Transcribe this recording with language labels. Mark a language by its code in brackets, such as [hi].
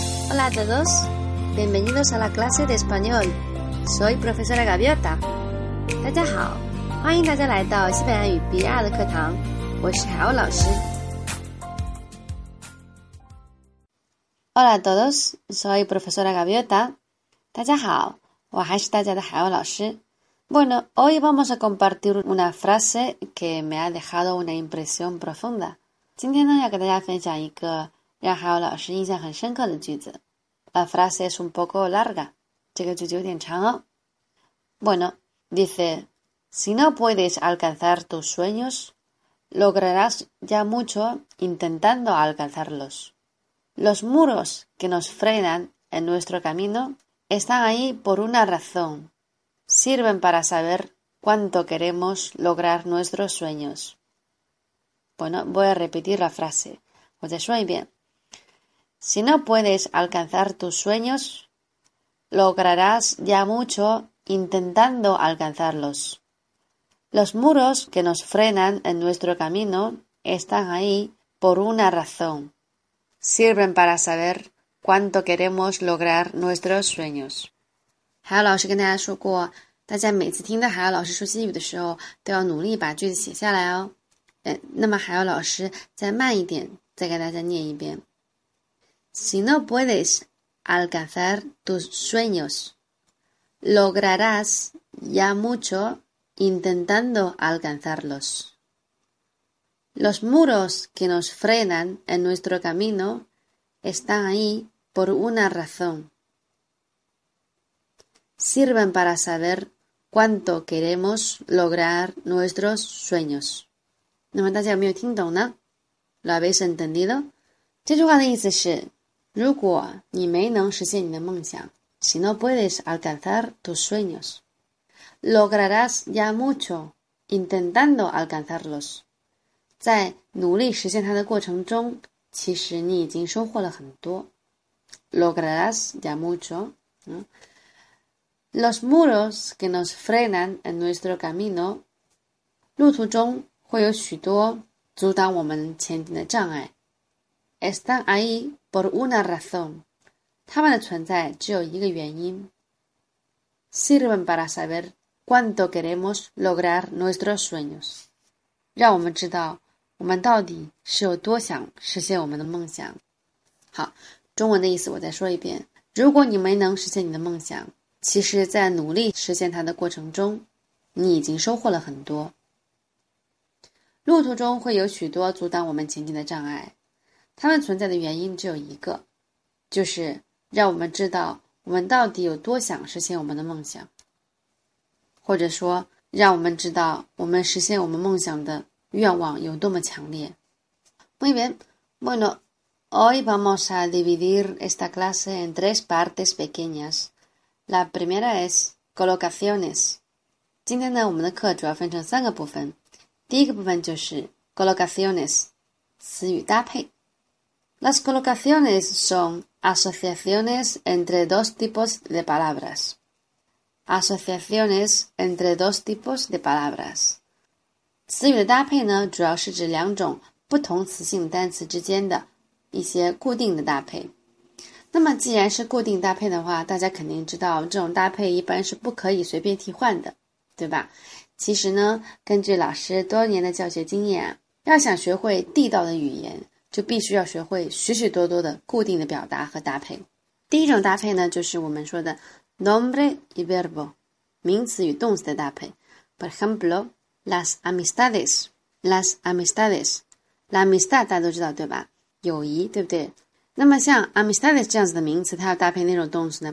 [es] Hola a todos, bienvenidos a la clase de español. Soy profesora Gaviota. [zh] 大家好，欢迎大家来到西班牙语 B2 的课堂，我是海鸥老师。 [es] Hola a todos, soy profesora Gaviota. [zh] 大家好，我还是大家的海鸥老师。 [es] Bueno, hoy vamos a compartir una frase que me ha dejado una impresión profunda. [zh] 今天呢，要给大家分享一个让海鸥老师印象很深刻的句子。 [es] La frase es un poco larga. [zh] 这个句子有点长哦。 [es] Bueno, dice, si no puedes alcanzar tus sueños, lograrás ya mucho intentando alcanzarlos. Los muros que nos frenan en nuestro camino están ahí por una razón. Sirven para saber cuánto queremos lograr nuestros sueños. Bueno, voy a repetir la frase. ¿O te suena bien? Si no puedes alcanzar tus sueños, lograrás ya mucho intentando alcanzarlos. Los muros que nos frenan en nuestro camino están ahí por una razón. Sirven para saber cuánto queremos lograr nuestros sueños. [zh] 海鸥老师跟大家说过，大家每次听到海鸥老师说西语的时候，都要努力把句子写下来哦。那么海鸥老师再慢一点，再给大家念一遍。 [es] Si no puedes alcanzar tus sueños, lograrás ya mucho intentando alcanzarlos. Los muros que nos frenan en nuestro camino están ahí por una razón. Sirven para saber cuánto queremos lograr nuestros sueños. [zh] 那么大家有没有听懂呢？ [es] ¿Lo habéis entendido? [zh] 这句话的意思是，如果你没能实现你的梦想， [es] Si no puedes alcanzar tus sueños, lograrás ya mucho intentando alcanzarlos. [zh] 在努力实现它的过程中，其实你已经收获了很多。 [es] Lograrás ya mucho. Los muros que nos frenan en nuestro camino, [zh] 路途中会有许多阻挡我们前进的障碍。 [es] Están ahí por una razón. [zh] 它们的存在只有一个原因。 [es] Sirven para saber cuánto queremos lograr nuestros sueños. [zh] 让我们知道我们到底是有多想实现我们的梦想。好，中文的意思我再说一遍。如果你没能实现你的梦想，其实在努力实现它的过程中，你已经收获了很多。路途中会有许多阻挡我们前进的障碍，它们存在的原因只有一个，就是让我们知道我们到底有多想实现我们的梦想，或者说让我们知道我们实现我们梦想的愿望有多么强烈。 [es] Muy bien, bueno, hoy vamos a dividir esta clase en tres partes pequeñas. La primera es colocaciones. [zh] 今天呢，我们的课主要分成三个部分。第一个部分就是 colocaciones, 词语搭配。 [es] Las colocaciones son asociaciones entre dos tipos de palabras. Asociaciones entre dos tipos de palabras. [zh] 词语的搭配呢，主要是指两种不同词性单词之间的一些固定的搭配。那么既然是固定搭配的话，大家肯定知道这种搭配一般是不可以随便替换的，对吧？其实呢，根据老师多年的教学经验，要想学会地道的语言，就必须要学会许许多多的固定的表达和搭配。第一种搭配呢，就是我们说的 [es] nombre y verbo, [zh] 名词与动词的搭配。 [es] Por ejemplo, las amistades, las amistades, la amistad [zh] 大家都知道，对吧？友谊，对不对？那么像 amistades 这样子的名词，它要搭配那种动词呢？